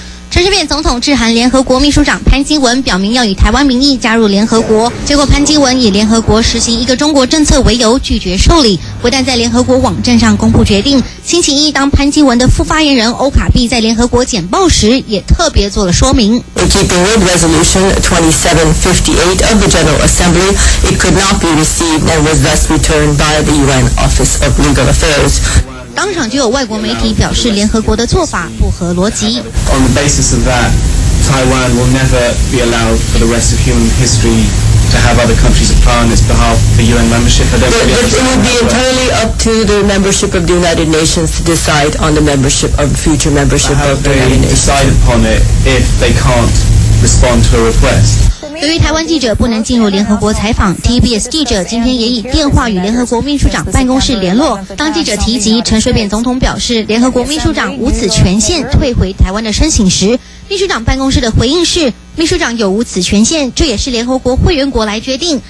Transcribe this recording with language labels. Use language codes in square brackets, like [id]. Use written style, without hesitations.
[zh] 陈水扁总统致函联合国秘书长潘基文，表明要以台湾名义加入联合国。结果潘基文以联合国实行一个中国政策为由拒绝受理，不但在联合国网站上公布决定，星期一当潘基文的副发言人欧卡毕在联合国简报时也特别做了说明。 [en] Keeping with Resolution 2758 of the General Assembly, it could not be received and was thus returned by the UN Office of Legal Affairs. [zh] 当场就有外国媒体表示联合国的做法不合逻辑。 [en] On the basis of that, Taiwan will never be allowed for the rest of human history to have other countries apply on its behalf for UN membership. It will be entirely up to the membership of the United Nations to decide on the membership of future membership of the United Nations. Decide upon it if they can't respond to a request. [zh] 由于台湾记者不能进入联合国采访 ，TBS 记者今天也以电话与联合国秘书长办公室联络。当记者提及陈水扁总统表示联合国秘书长无此权限退回台湾的申请时，秘书长办公室的回应是：秘书长有无此权限，这也是联合国会员国来决定。